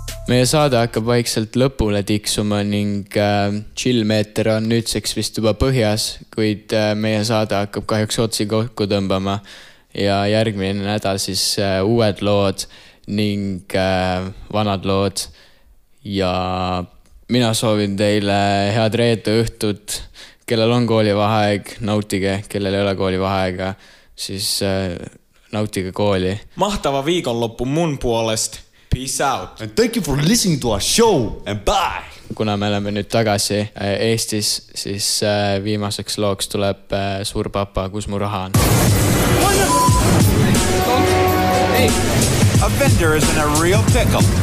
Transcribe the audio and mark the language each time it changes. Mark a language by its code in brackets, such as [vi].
[et] meie saade hakkab vaikselt lõpule tiksuma ning chillmeeter on nüüdseks vist juba põhjas, kuid meie saade hakkab kahjuks otsi kokku tõmbama ja järgmine nädal siis uued lood ning vanad lood. Ja mina soovin teile head reede õhtud, kellel on koolivaheaeg, nautige, kellel ei ole koolivaheaega, siis nautige kooli. [fi] Mahtava viikon loppu mun puolest! [en] Peace out. And thank you for listening to our show. And bye. [et] Kuna me oleme nüüd tagasi Eestis, siis viimaseks looks tuleb suur papa, kus mu raha on. [en] Hey. A vendor is in a real pickle.